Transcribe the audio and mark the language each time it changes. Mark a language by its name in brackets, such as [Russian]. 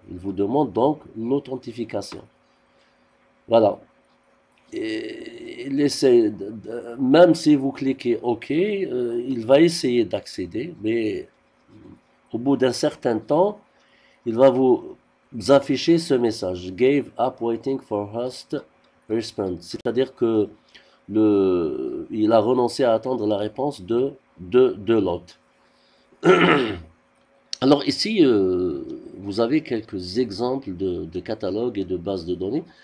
[French] Il vous demande donc l'authentification. Voilà. Et il essaie, même si vous cliquez OK, il va essayer d'accéder, mais au bout d'un certain temps, il va vous afficher ce message. [English] Gave up waiting for host response. [French] C'est-à-dire que il a renoncé à attendre la réponse de l'hôte. Alors ici, vous avez quelques exemples de catalogues et de bases de données.